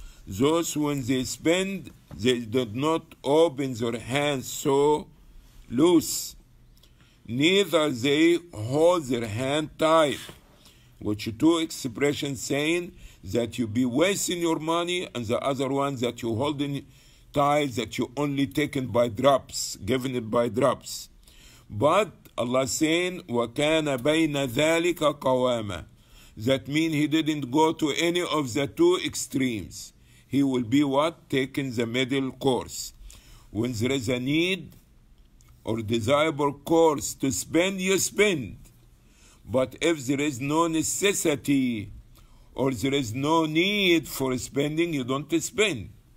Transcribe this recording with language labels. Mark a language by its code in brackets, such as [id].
[en] Those when they spend, they did not open their hands so loose, neither they hold their hand tight. Which two expressions saying that you be wasting your money, and the other one that you holding tight, that you only taken by drops, giving it by drops. [ar] But Allah saying, وَكَانَ بَيْنَ ذَلِكَ قَوَامًا. [en] That means he didn't go to any of the two extremes. He will be what? Taking the middle course. When there is a need or desirable course to spend, you spend. But if there is no necessity or there is no need for spending, you don't spend.